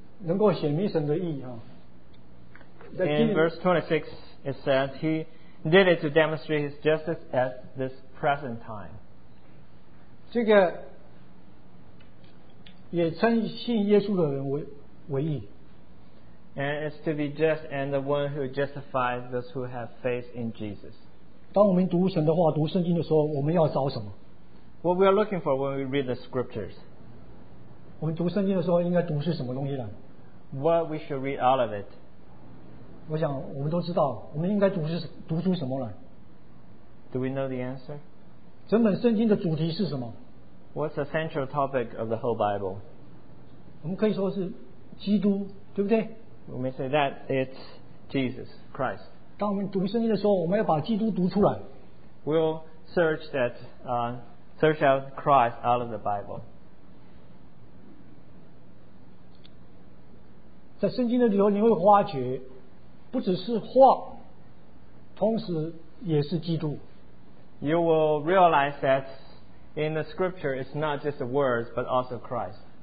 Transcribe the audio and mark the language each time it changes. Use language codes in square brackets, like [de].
[en] In verse 26, it says he did it to demonstrate his justice at this present time. [zh] 这个也称信耶稣的人为义。 [en] And it's to be just and the one who justifies those who have faith in Jesus. [zh] 当我们读神的话，读圣经的时候，我们要找什么？ [en] What we are looking for when we read the scriptures. [zh] 我们读圣经的时候应该读是什么东西呢？ [en] What we should read out of it. [zh] 我想我们都知道，我们应该读出什么来？ [en] Do we know the answer? [zh] 整本圣经的主题是什么？ [en] What's the central topic of the whole Bible? [zh] 我们可以说是基督，对不对？ [en] We may say that it's Jesus Christ. [zh] 当我们读圣经的时候，我们要把基督读出来。 [en] We'll search that, search out Christ out of the Bible. [zh] 在圣经的里头，你会发觉，不只是话，同时也是基督。 [en] You will realize that in the scripture, it's not just the words, but also Christ.